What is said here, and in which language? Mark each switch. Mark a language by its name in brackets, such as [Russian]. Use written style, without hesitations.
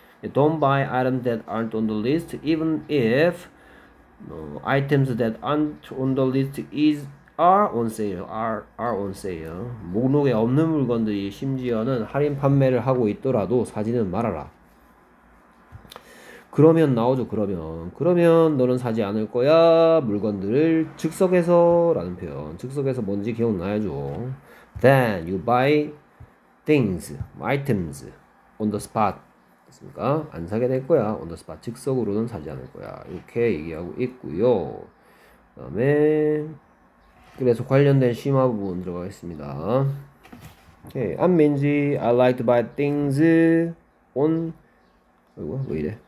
[English] Don't buy items that aren't on the list, even if items that aren't on the list are on sale. Are on sale. [Korean] 목록에 없는 물건들이 심지어는 할인 판매를 하고 있더라도 사지는 말아라. 그러면 나오죠. 그러면. 그러면 너는 사지 않을 거야. 물건들을 즉석에서 라는 표현. 즉석에서 뭔지 기억나야죠. [English] Then you buy things, items on the spot. [Korean] 됐습니까? 안 사게 될 거야. [English] On the spot. [Korean] 즉석으로는 사지 않을 거야. 이렇게 얘기하고 있고요. 그다음에 그래서 관련된 심화 부분 들어가겠습니다. [English] Okay, I'm Minji. I like to buy things on [Korean] 어이구, 왜 이래?